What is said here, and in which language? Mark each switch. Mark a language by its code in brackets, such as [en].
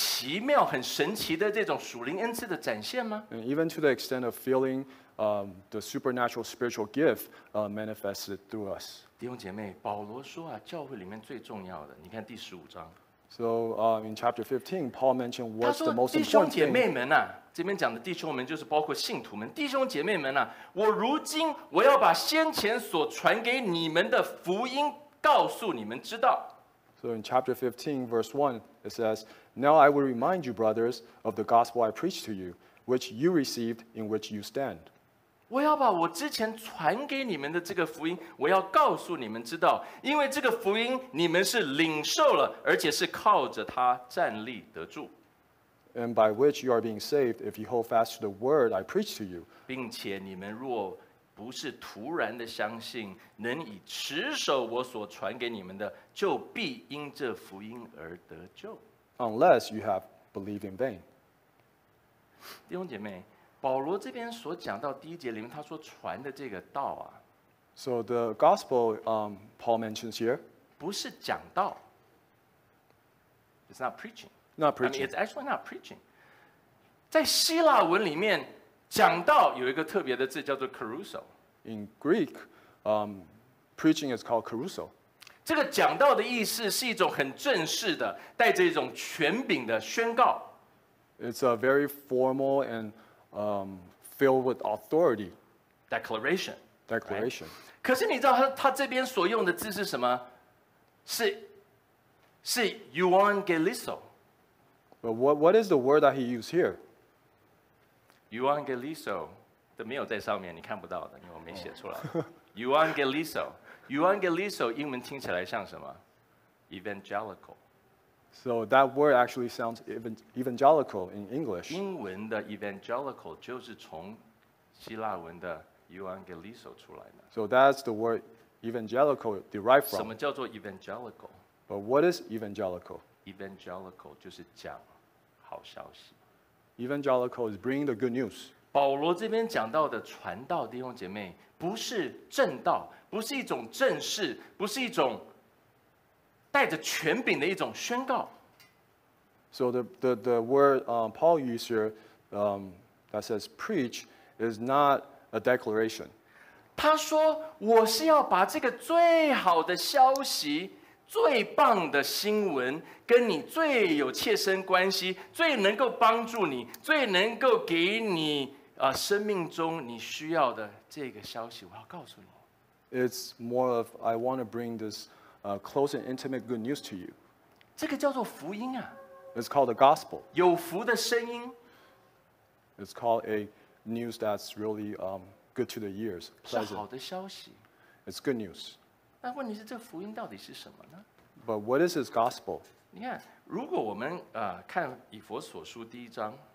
[zh] 甚至是我们在一起有这种超自然、很奇妙、很神奇的这种属灵恩赐的展现吗？ [en] And even to the extent of feeling the supernatural spiritual gift manifested through us. [zh] 弟兄姐妹，保罗说啊，教会里面最重要的，你看第十五章。 [en] So in chapter 15, Paul mentioned what's the most important thing. [zh] 他说弟兄姐妹们啊，这边讲的弟兄们就是包括信徒们，弟兄姐妹们啊，我如今我要把先前所传给你们的福音告诉你们知道。 [en] So in chapter 15, verse 1, it says, Now I will remind you, brothers, of the gospel I preached to you, which you received, in which you stand. [zh] 我要把我之前传给你们的这个福音，我要告诉你们知道，因为这个福音你们是领受了，而且是靠着它站立得住。 [en] And by which you are being saved, if you hold fast to the word I preach to you. [zh] 并且你们若不是突然的相信，能以持守我所传给你们的，就必因这福音而得救。 [en] Unless you have believed in vain. [zh] 弟兄姐妹，保罗这边所讲到第一节里面，他说传的这个道啊。 [en] So the gospel, Paul mentions here. [zh] 不是讲道。 [en] It's not preaching. Not preaching. I mean, it's actually not preaching. [zh] 在希腊文里面讲道有一个特别的字叫做 caruso. [en] In Greek, preaching is called caruso. [zh] 这个讲道的意思是一种很正式的，带着一种权柄的宣告。 [en] It's a very formal and filled with authority. Declaration. Declaration.、 Right? [zh] 可是你知道 他这边所用的字是什么？是 euangeliso. [en] But what is the word that he used here? [zh] Euangeliso, 这没有在上面，你看不到的，因为我没写出来。 Euangeliso, Euangeliso 英文听起来像什么 ？Evangelical. [en] So that word actually sounds evangelical in English. [zh] 英文的 evangelical 就是从希腊文的 Euangeliso 出来的。 [en] So that's the word evangelical derived from. [zh] 什么叫做 evangelical? [en] But what is evangelical? [zh] Evangelical 就是讲好消息。 [en] Evangelical is bringing the good news. [zh] 保罗这边讲到的传道，弟兄姐妹，不是正道，不是一种正式，不是一种带着权柄的一种宣告。 [en] So the word Paul used here that says preach is not a declaration. [zh] 他说我是要把这个最好的消息。最棒的新闻跟你最有切身关系，最能够帮助你，最能够给你、生命中你需要的这个消息，我要告诉你。 [en] It's more of I want to bring this close and intimate good news to you. [zh] 这个叫做福音啊。 [en] It's called the gospel. [zh] 有福的声音。 [en] It's called a news that's really good to the ears. [zh] 是好的消息。 [en] It's good news. [zh] 那问题是这个福音到底是什么呢 [en] ？But what is his gospel? [zh] 你看，如果我们看以弗所书第一章